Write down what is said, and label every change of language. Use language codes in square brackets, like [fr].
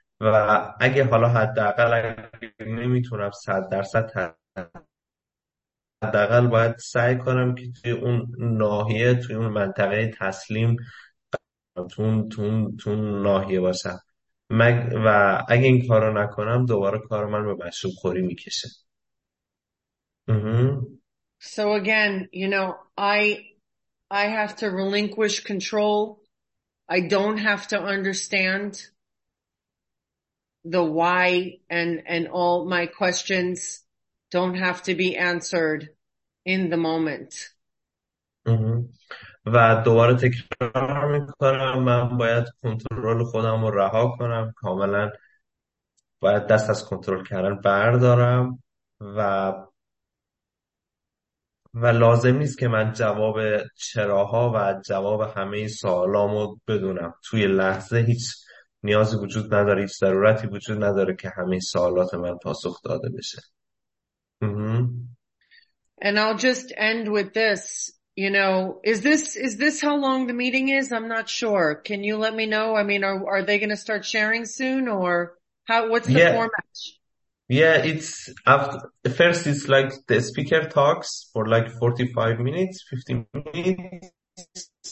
[fa] و اگه حالا حداقل نمیتونم 100% حداقل باید سعی کنم که توی اون ناحیه، توی اون منطقه تسلیم تون ناحیه باشم. و اگه این کار رو نکنم دوباره کار من به مشروب خوری میکشه. [en] So again, you know, I have to relinquish control. I don't have to understand the why and all my questions don't have to be answered in the moment. [fa] و دوباره تکرار میکنم، من باید کنترل خودم رو رها کنم، کاملا باید دست از کنترل کردن بردارم. و لازم نیست که من جواب چراها و جواب همه سوالام رو بدونم توی لحظه. هیچ نیازی وجود نداره، هیچ ضرورتی وجود نداره که همه سوالات من پاسخ داده بشه. [en] And I'll just end with this. You know, is this how long the meeting is? I'm not sure. Can you let me know? I mean, are they going to start sharing soon, or how? What's the format? Yeah, it's after first. It's like the speaker talks for like 45 minutes, 50 minutes.